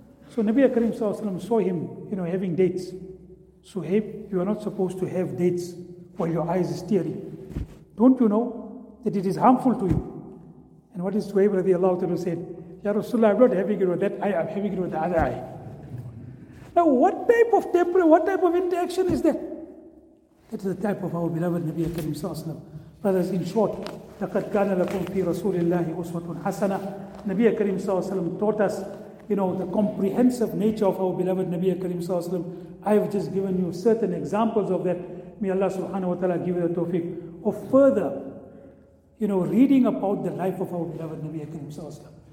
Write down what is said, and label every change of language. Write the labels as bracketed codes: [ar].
[en] So Nabi Karim Sallallahu Alaihi Wasallam saw him, you know, having dates. So hey, you are not supposed to have dates while your eyes is tearing. Don't you know that it is harmful to you? And what is Suhaib radiallahu ta'ala said, Ya Rasulullah, I'm not having it with that eye, I'm having it with the other eye. Now what type of temperament, what type of interaction is that? That is the type of our beloved Nabi Karim Sallallahu Alaihi Wasallam. Brothers, in short, [ar] لَقَدْ كَانَ لَكُمْ فِي رَسُولِ اللَّهِ أُسْوَةٌ حَسَنَةٌ. [en] Nabi Karim Sallallahu Alaihi Wasallam taught us, you know, the comprehensive nature of our beloved Nabi Karim Sallallahu Alaihi Wasallam. I have just given you certain examples of that. May Allah subhanahu wa ta'ala give you the tawfiq of further, you know, reading about the life of our beloved Nabi Karim Sallallahu Alaihi Wasallam.